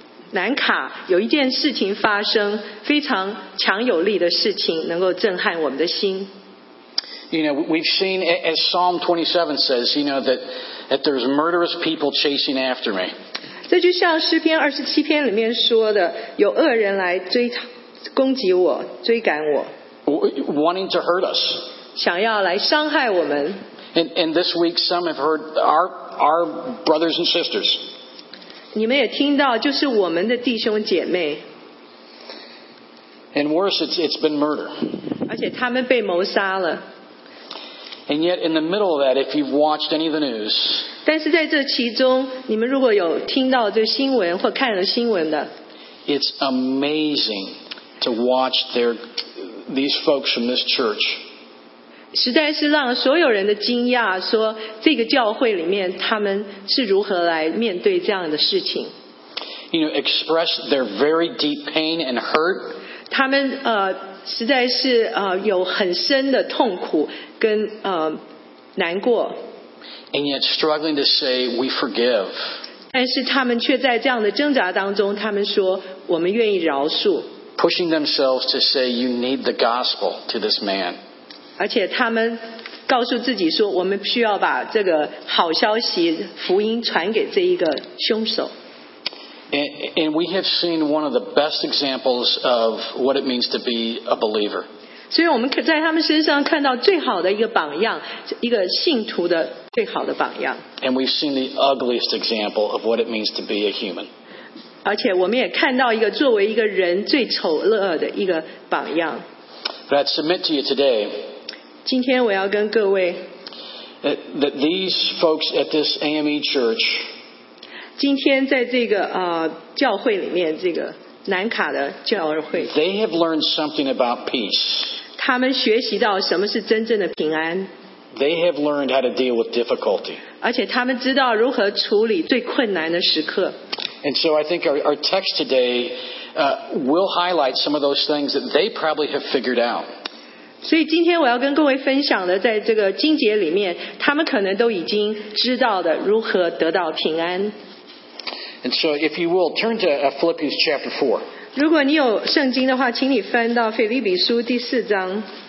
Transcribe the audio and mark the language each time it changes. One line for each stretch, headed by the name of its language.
Chinese: 南卡有一件事情发生，非常强有力的事情，能够震撼我们的心。
English: You know, we've seen, as Psalm 27 says, you know, that there's murderous people chasing after me.
Chinese: 这就像诗篇二十七篇里面说的，有恶人来追攻击我，追赶我。
English: Wanting to hurt us.
Chinese: 想要来伤害我们。
English: And this week, some have heard our brothers and sisters.
Chinese: 你们也听到，就是我们的弟兄姐妹。
English: And worse, it's been murder.
Chinese: 而且他们被谋杀了。
English: And yet, in the middle of that, if you've watched any of the news,
Chinese: 但是在这其中，你们如果有听到这新闻或看了新闻的，
English: it's amazing to watch these folks from this church.
Chinese: 实在是让所有人的惊讶，说这个教会里面他们是如何来面对这样的事情。
English: You know, express their very deep pain and hurt.
Chinese: 他们实在是有很深的痛苦跟难过。
English: And yet struggling to say we forgive.
Chinese: 但是他们却在这样的挣扎当中，他们说我们愿意饶恕。
English: Pushing themselves to say you need the gospel to this man.
Chinese: 而且他们告诉自己说，我们需要把这个好消息福音传给这一个凶手。
English: And we have seen one of the best examples of what it means to be a believer.
Chinese: 所以我们在他们身上看到最好的一个榜样，一个信徒的最好的榜样。
English: And we've seen the ugliest example of what it means to be a human.
Chinese: 而且我们也看到一个作为一个人最丑恶的一个榜样。
English: But I'd submit to you today.
Chinese: 今天我要跟各位。
English: That these folks at this AME church.
Chinese: 今天在这个教会里面，这个南卡的教会，
English: they have learned something about peace.
Chinese: 他们学习到什么是真正的平安。
English: They have learned how to deal with difficulty.
Chinese: 而且他们知道如何处理最困难的时刻。
English: And so I think our text today will highlight some of those things that they probably have figured out.
Chinese: 所以今天我要跟各位分享的，在这个经节里面，他们可能都已经知道的如何得到平安。
English: And so, if you will, turn to Philippians chapter 4.
Chinese: 如果你有圣经的话，请你翻到腓立比书第四章。